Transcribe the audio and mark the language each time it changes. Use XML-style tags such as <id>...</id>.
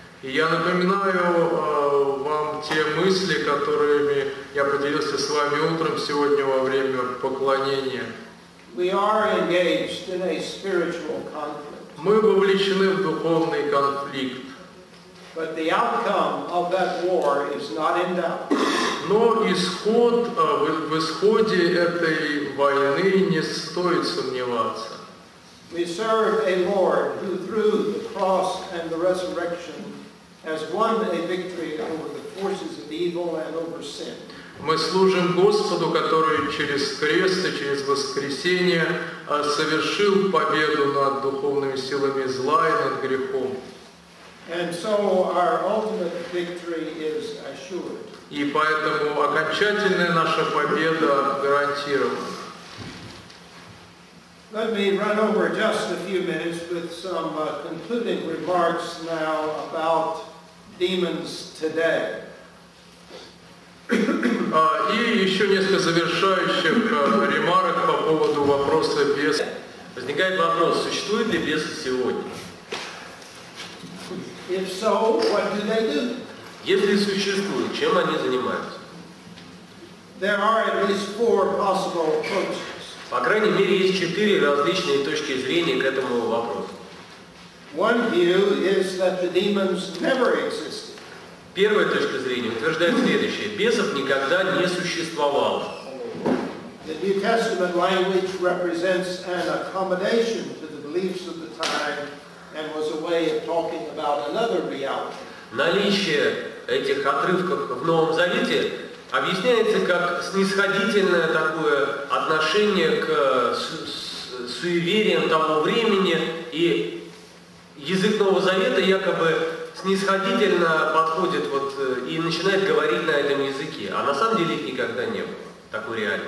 <ru>И я напоминаю вам те мысли, которыми я поделился с вами утром сегодня во время поклонения.</ru> <en>We are engaged in a spiritual conflict.</en> <ru>Мы вовлечены в духовный конфликт.</ru> <en>But the outcome of that war is not in doubt.</en> <ru>Но исход в исходе этой войны не стоит сомневаться.</ru> <en>We serve a Lord who through the cross and the resurrection has won a victory over the forces of evil and over sin.</en> <ru>Мы служим Господу, который через крест и через воскресение совершил победу над духовными силами зла и над грехом.</ru> <en>And so our ultimate victory is assured.</en> <ru>И поэтому окончательная наша победа гарантирована.</ru> <en>Let me run over just a few minutes with some concluding remarks now about demons today.</en> <ru>И еще несколько завершающих ремарок по поводу вопроса бес. Возникает вопрос, существует ли бес сегодня?</ru> <en>If so, what do they do?</en> <ru>Если существуют, чем они занимаются?</ru> <en>There are at least four possible approaches.</en> <ru>По крайней мере, есть четыре различные точки зрения к этому вопросу.</ru> <en>One view is that the demons never existed.</en> <ru>Первая точка зрения утверждает следующее. Бесов никогда не существовало.</ru> <en>The New Testament language represents an accommodation to the beliefs of the time and was a way of talking about another reality.</en> <ru>Наличие этих отрывков в Новом Завете объясняется как снисходительное такое отношение к суевериям того времени, и язык Нового Завета якобы снисходительно подходит вот и начинает говорить на этом языке, а на самом деле их никогда не было такой</ru>